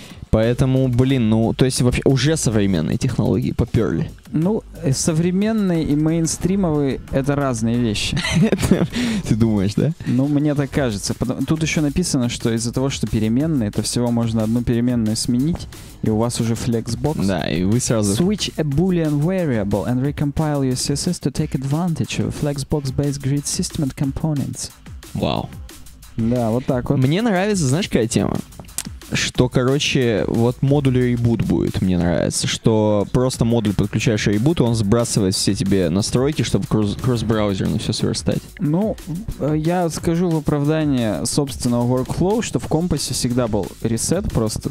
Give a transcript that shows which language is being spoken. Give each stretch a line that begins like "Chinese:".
Russian: Поэтому, блин, ну, то есть вообще уже современные технологии поперли. Ну, современные и мейнстримовые — это разные вещи. Ты думаешь, да? Ну, мне так кажется. Тут еще написано, что из-за того, что переменные, то всего можно одну переменную сменить, и у вас уже Flexbox. Да, и вы сразу...
English: Switch a boolean variable and recompile your CSS to take advantage of Flexbox-based grid system and components.
Russian: Вау. Да, вот так вот. Мне нравится, знаешь, какая тема? Что, короче, вот модуль reboot будет, мне нравится. Что просто модуль подключаешь reboot, и он сбрасывает все тебе настройки, чтобы кросс-браузер на все сверстать. Ну, я скажу в оправдание собственного workflow, что в компасе всегда был reset просто.